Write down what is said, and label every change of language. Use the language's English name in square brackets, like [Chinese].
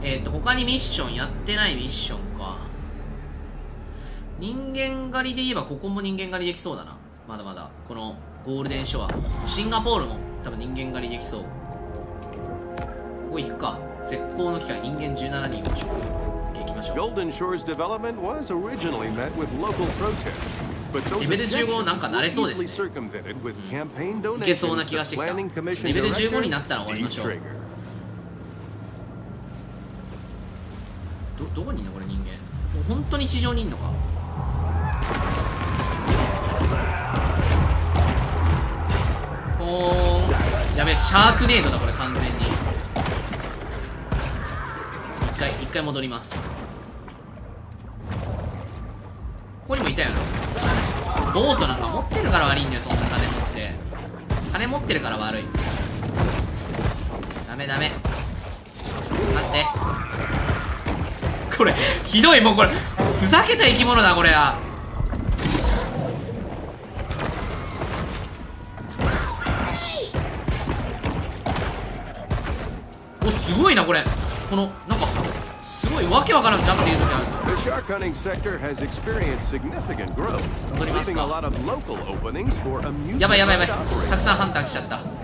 [Japanese] 他にミッションやってないミッションか。人間狩りで言えばここも人間狩りできそうだな。まだまだこのゴールデンショア、シンガポールも多分人間狩りできそう。ここ行くか。絶好の機会、人間17人を食用行きましょう。 [English] Golden Shore's development was originally met with local protest. [Japanese] レベル15なんか慣れそうですね、いけそうな気がしてきた。レベル15になったら終わりましょう。どこにいんのこれ人間。もう本当に地上にいんのか。おーやべえ、シャークネードだこれ完全に。一回戻ります。ここにもいたよな。ボートなんか持ってるから悪いんだよ、そんな金持ちで。金持ってるから悪い。ダメダメ、待って、これひどい。もうこれふざけた生き物だこれは。よし、お、すごいなこれ。このなんかすごいわけわからんジャンプっていう時あるぞ。 [English] Shark hunting sector has experienced significant growth, leaving a lot of local openings for amusement. [Japanese] やばいやばいやばい、たくさんハンター来ちゃった。